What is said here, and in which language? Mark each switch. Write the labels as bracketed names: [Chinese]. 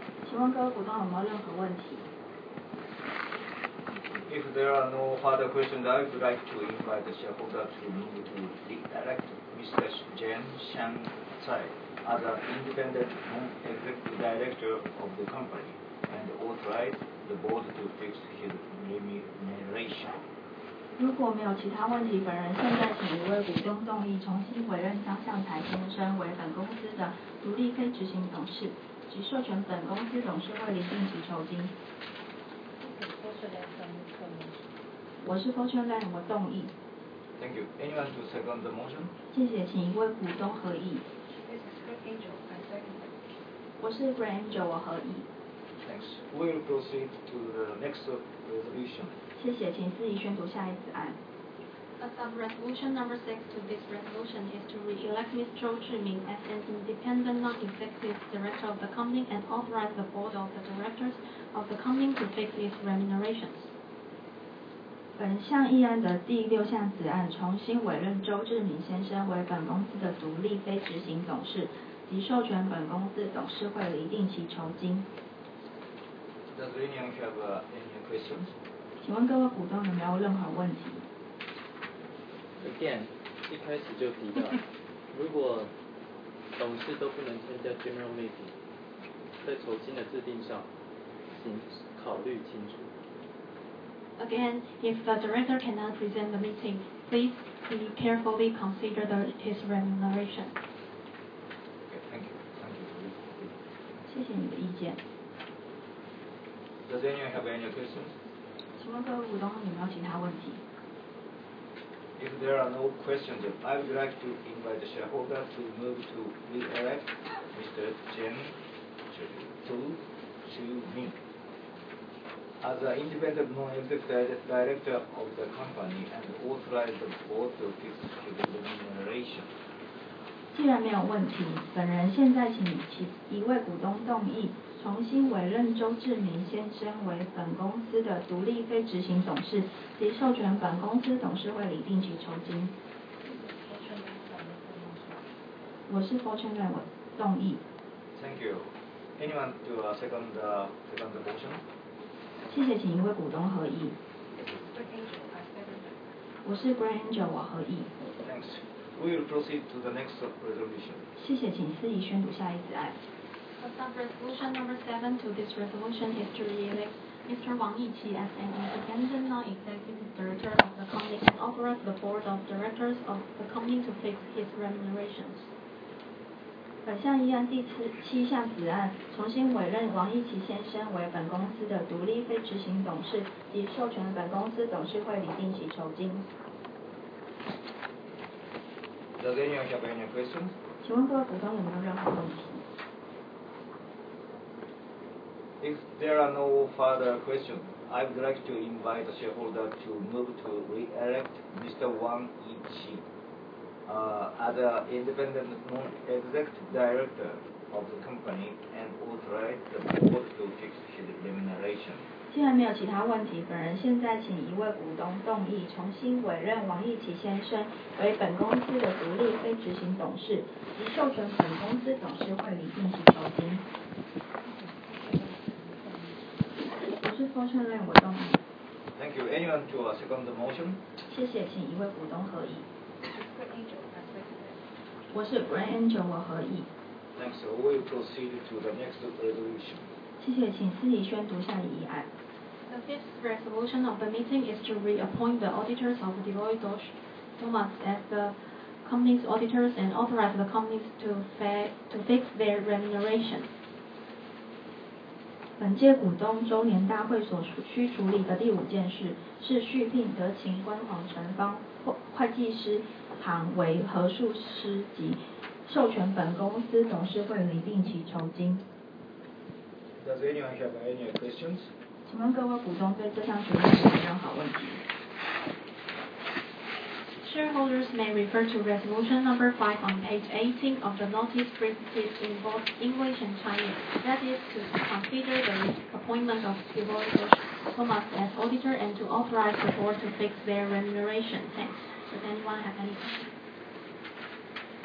[Chinese] 请问各位股东有没有任何问题？ [English] If there are no further questions, I would like to invite the shareholder to move to re-elect Mr. Jen Shang Tsai as an independent non-executive director of the company and authorize the board to fix his remuneration. [Chinese] 如果没有其他问题，本人现在请一位股东动议重新委任张向才先生为本公司的独立非执行董事，及授权本公司董事会厘定其酬金。我是 Fortune Land， 我动议。 [English] Thank you. Anyone to second the motion? [Chinese] 谢谢，请一位股东合议。 [English] This is Green Angel. I second. [Chinese] 我是 Green Angel， 我合议。 [English] Thanks. We will proceed to the next resolution. [Chinese] 谢谢，请司仪宣读下一次案。 [English] A sub-resolution number 6 to this resolution is to re-elect Ms. Zhou Zhiming as an independent non-executive director of the company and authorize the board of the directors of the company to fix its remunerations. [Chinese] 本项议案的第六项子案重新委任周志明先生为本公司的独立非执行董事，及授权本公司董事会厘定其酬金。 [English] Does anyone have any questions? [Chinese] 请问各位股东有没有任何问题？ Again， 一开始就提到，如果董事都不能参加 general meeting， 在酬金的制定上，请考虑清楚。 [English] Again， if the director cannot present the meeting， please be carefully consider the his remuneration. Okay， thank you. [Chinese] 谢谢你的意见。 [English] Does anyone have any questions？ [Chinese] 请问各位股东，有没有其他问题？ [English] If there are no questions, I would like to invite the shareholder to move to re-elect Mr. Chen Zhu-Ming as an independent non-executive director of the company and authorize the board to fix his remuneration. [Chinese] 既然没有问题，本人现在请一位股东动议重新委任周志明先生为本公司的独立非执行董事，及授权本公司董事会拟定其酬金。我是 Fortune Land， 我动议。 [English] Thank you. Anyone to second the motion? [Chinese] 谢谢，请一位股东合议。 [English] This is Green Angel. I second. [Chinese] 我是 Green Angel， 我合议。 [English] Thanks. We will proceed to the next resolution. [Chinese] 谢谢，请司仪宣读下一子案。 [English] Sub-resolution number 7 to this resolution is to re-elect Mr. Wang Yiqi as an independent non-executive director of the company and authorize the board of directors of the company to fix his remunerations. [Chinese] 本项议案第七项子案重新委任王一奇先生为本公司的独立非执行董事，及授权本公司董事会拟定其酬金。 [English] Does anyone have any questions? [Chinese] 请问各位股东有没有任何问题？ [English] If there are no further questions, I would like to invite the shareholder to move to re-elect Mr. Wang Yiqi as an independent non-executive director of the company and authorize the board to fix his remuneration. [Chinese] 既然没有其他问题，本人现在请一位股东动议重新委任王义奇先生为本公司的独立非执行董事，及授权本公司董事会拟定其酬金。 [English] Thank you. Anyone to second the motion? [Chinese] 谢谢，请一位股东合议。我是 Green Angel， 我合议。 [English] Thanks. We will proceed to the next resolution. [Chinese] 谢谢，请司仪宣读下一议案。 [English] The fifth resolution of the meeting is to reappoint the auditors of Deloitte Touche Tohmatsu as the company's auditors and authorize the companies to fix their remuneration. [Chinese] 本届股东周年大会所需处理的第五件事是续聘德勤官煌成方会计师行为合数师及授权本公司董事会拟定其酬金。 [English] Does anyone have any questions? [Chinese] 请问各位股东对这项决议有任何问题？ [English] Shareholders may refer to resolution number 5 on page 18 of the notice printed in both English and Chinese, that is to consider the appointment of Deloitte Touche Tohmatsu as auditor and to authorize the board to fix their remuneration. Thanks. Does anyone have any questions?